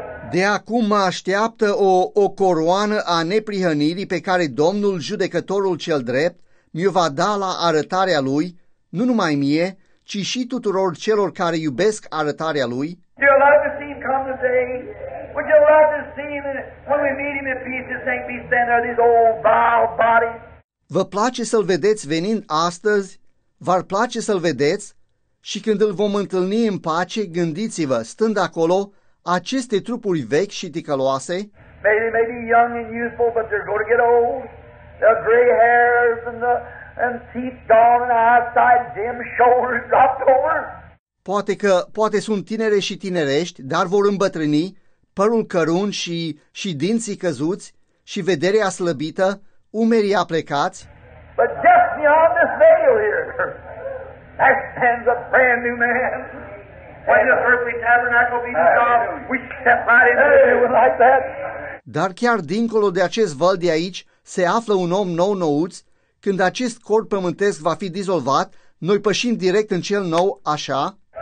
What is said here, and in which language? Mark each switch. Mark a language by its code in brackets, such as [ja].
[ro] De acum mă așteaptă o coroană a neprihănirii pe care Domnul Judecătorul cel Drept mi-o va da la arătarea Lui, nu numai mie, ci și tuturor celor care iubesc arătarea Lui. [en] Do you love to see him come today? Would you love to see him when we meet him in peace and think he's standing there, these old vile bodies? [ro] Vă place să-l vedeți venind astăzi? V-ar place să-l vedeți? Și când îl vom întâlni în pace, gândiți-vă, stând acolo, aceste trupuri vechi și ticăloase? [en] Maybe young and youthful, but they're going to get old. The gray hairs and teeth gone and eyesight dim, shoulders dropped over. [ro] Poate sunt tinere și tinerești, dar vor îmbătrâni, părul cărun și dinții căzuți și vederea slăbită, umerii aplecați. [en] But just beyond this veil here, there stands a brand new man. When the earthly tabernacle be dissolved, we step right into it like that. [ro] Dar chiar dincolo de acest văl de aici se află un om nou-nouț. Când acest corp pământesc va fi dizolvat, noi pășim direct în cel nou, așa.